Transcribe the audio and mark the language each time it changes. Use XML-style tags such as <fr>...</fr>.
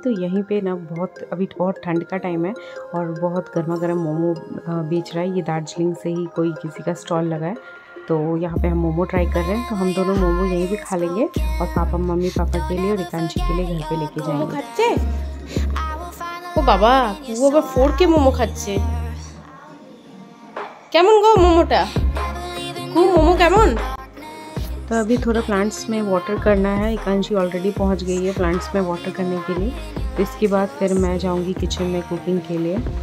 <hi>तो यहीं पे ना बहुत अभी और ठंड का टाइम है और बहुत गर्मा गर्म मोमो बेच रहा है ये, दार्जिलिंग से ही कोई किसी का स्टॉल लगा है। तो यहाँ पे हम मोमो ट्राई कर रहे हैं, तो हम दोनों मोमो यहीं भी खा लेंगे और पापा मम्मी पापा के लिए और एकांशी के लिए घर पर लेके जाएंगे।</hi> <bn>ও বাবা, কু আবার 4K মোমো খাচ্ছে, কেমন গো মোমোটা? কু মোমো কেমন?</bn> <hi>तो अभी थोड़ा प्लांट्स में वाटर करना है। एकांशी ऑलरेडी पहुंच गई है प्लांट्स में वाटर करने के लिए, तो इसके बाद फिर मैं जाऊंगी किचन में कुकिंग के लिए।</hi>